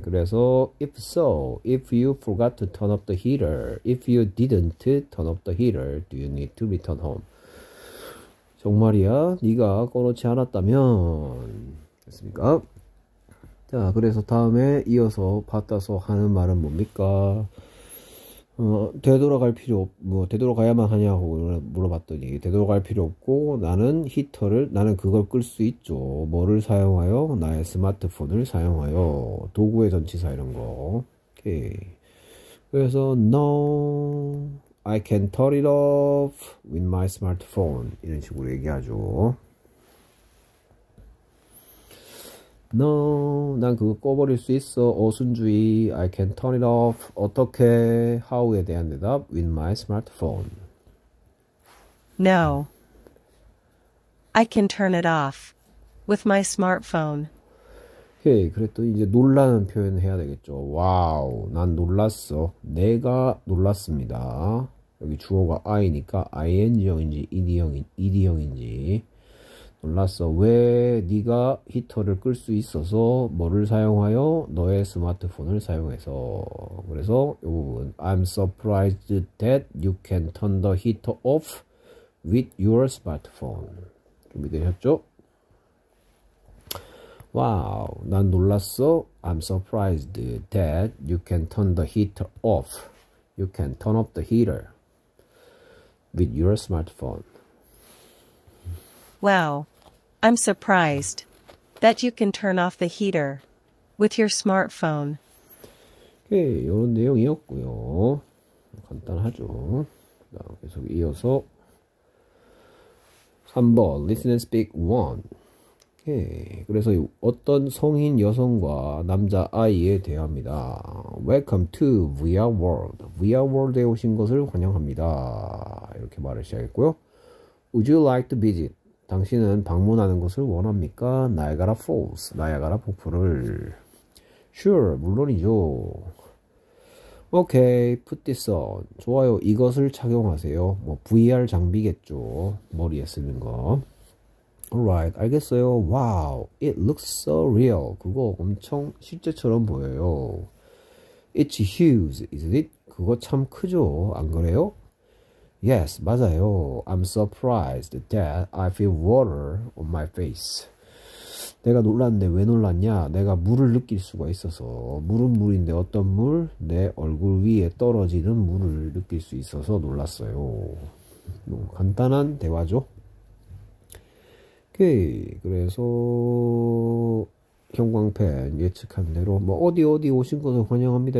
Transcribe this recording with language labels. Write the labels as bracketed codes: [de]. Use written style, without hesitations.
[en] 그래서 if so, if you forgot to turn off the heater, if you didn't turn off the heater, do you need to return home? [ko] 정말이야? 네가 꺼놓지 않았다면 됐습니까? 자, 그래서 다음에 이어서 받아서 하는 말은 뭡니까? 되돌아갈 필요 뭐 되돌아가야만 하냐고 물어봤더니 되돌아갈 필요 없고 나는 그걸 끌수 있죠. 뭐를 사용하여? 나의 스마트폰을 사용하여. 도구의 전치사 이런 거. 오케이. 그래서 [en] no, I can turn it off with my smartphone [ko] 이런 식으로 얘기하죠. No, 난 그거 꺼버릴 수 있어. 어순주의. [en] I can turn it off. [ko] 어떻게? [en] How에 [ko] 대한 대답. [en] With my smartphone. No, I can turn it off with my smartphone. [ko] 오케이. 그랬더니 이제 놀라는 표현을 해야 되겠죠. 와우. 난 놀랐어. 내가 놀랐습니다. 여기 주어가 I니까 ing형인지 ed형인지. 몰랐어. 왜 네가 히터를 끌수 있어서 뭐를 사용하여? 너의 스마트폰을 사용해서. 그래서 이 부분 [en] I'm surprised that you can turn the heater off with your smartphone. [ko] 준비되셨죠? 와우, 난 놀랐어. [en] I'm surprised that you can turn the heater off. You can turn off the heater with your smartphone. Wow, I'm surprised that you can turn off the heater with your smartphone. [ko] 오케이, 이런 내용이었고요. 간단하죠. 계속 이어서 3번 [en] Listen and speak 1. [ko] 오케이, 그래서 어떤 성인 여성과 남자 아이에 대합니다. [en] Welcome to VR World. VR World에 [ko] 오신 것을 환영합니다. 이렇게 말을 시작했고요. [en] Would you like to visit? [ko] 당신은 방문하는 것을 원합니까? 나이아가라 폴스, 나이아가라 폭포를. [en] Sure, [ko] 물론이죠. 오케이, [en] put this on. [ko] 좋아요. 이것을 착용하세요. 뭐 VR 장비겠죠. 머리에 쓰는 거. [en] Alright, [ko] 알겠어요. [en] Wow, it looks so real. [ko] 그거 엄청 실제처럼 보여요. [en] It's huge, isn't it? [ko] 그거 참 크죠. 안 그래요? Yes, 맞아요. [en] I'm surprised that I feel water on my face. [ko] 내가 놀랐는데 왜 놀랐냐? 내가 물을 느낄 수가 있어서. 물은 물인데 어떤 물? 내 얼굴 위에 떨어지는 물을 느낄 수 있어서 놀랐어요. 간단한 대화죠. 오케이. 그래서 형광펜 예측한 대로 뭐 어디 오신 것을 환영합니다.